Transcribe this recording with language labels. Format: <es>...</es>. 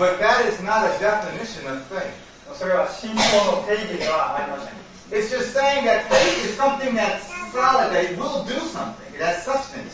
<en>But that is not a definition of faith.</en> <ja>それは信仰の定義ではありません。</ja> <en>It's just saying that faith is something that's solid, that it will do something, it has substance.</en>